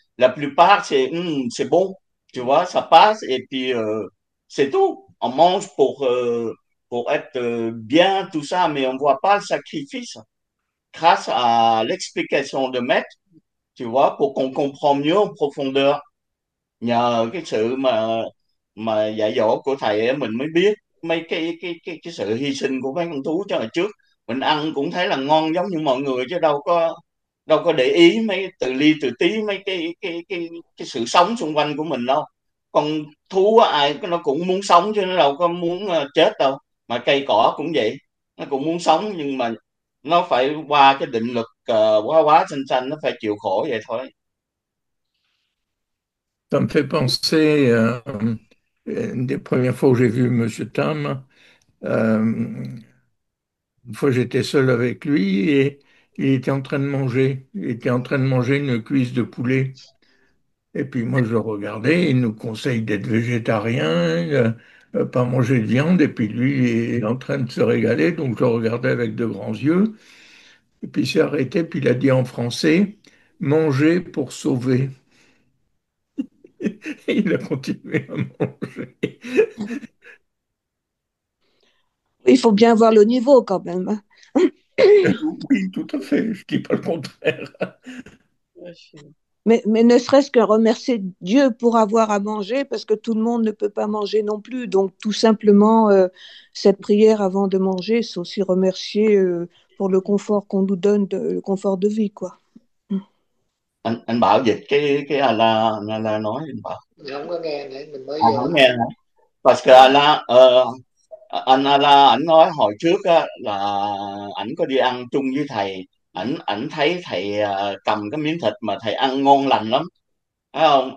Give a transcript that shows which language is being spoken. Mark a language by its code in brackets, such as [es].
[fr] La plupart, c'est bon, tu vois, ça passe et puis c'est tout. On mange pour être bien, tout ça, mais on ne voit pas le sacrifice. Grâce à l'explication de Maître, tu vois, pour qu'on comprenne mieux en profondeur, il y a quelque chose, mais [vi] mà dạy dỗ của thầy mình mới biết mấy cái sự hy sinh của mấy con thú. Cho là trước mình ăn cũng thấy là ngon giống như mọi người, chứ đâu có để ý mấy từ ly từ tí mấy cái sự sống xung quanh của mình đâu. Con thú ai nó cũng muốn sống chứ nó đâu có muốn chết đâu, mà cây cỏ cũng vậy, nó cũng muốn sống nhưng mà nó phải qua cái định luật quá quá sinh sanh, nó phải chịu khổ vậy thôi. [fr] Ça me fait penser à une des premières fois où j'ai vu M. Tam. Une fois, j'étais seul avec lui et il était en train de manger. Il était en train de manger une cuisse de poulet. Et puis moi, je le regardais. Il nous conseille d'être végétarien, pas manger de viande. Et puis lui, il est en train de se régaler. Donc je le regardais avec de grands yeux. Et puis il s'est arrêté. Puis il a dit en français, manger pour sauver. Il a continué à manger. Il faut bien voir le niveau quand même. Oui, tout à fait, je dis pas le contraire. Mais ne serait-ce que remercier Dieu pour avoir à manger, parce que tout le monde ne peut pas manger non plus. Donc tout simplement, cette prière avant de manger, c'est aussi remercier, pour le confort qu'on nous donne, le confort de vie, quoi. [vi] Anh bảo dịch cái Allah nói, anh bảo Không có nghe nãy mình mới anh vô không đó. nghe nữa. [fr] Parce que [vi] Allah, anh Allah ảnh nói hồi trước á, là ảnh có đi ăn chung với thầy, ảnh ảnh thấy thầy cầm cái miếng thịt mà thầy ăn ngon lành lắm, thấy không?